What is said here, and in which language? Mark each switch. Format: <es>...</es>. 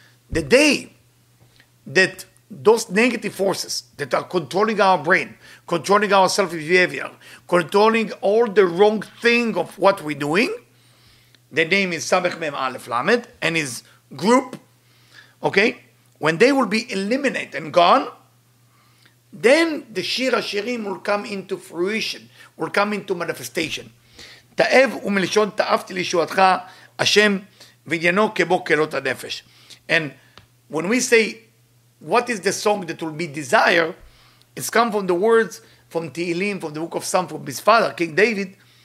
<en>The day that those negative forces that are controlling our brain, controlling our self-behavior, controlling all the wrong thing of what we're doing, the name is samech mem alef lamed and his group, okay? When they will be eliminated and gone, then the shir ha'shirim will come into fruition, will come into manifestation.</en> <he>תאב ומלשון תאבתי לישועתך השם ועניינו כבו כלות הנפש.</he> <en>And when we say what is the song that will be desired? It's come from the words from Tehillim, from the book of Psalm, from his father, King David.</en>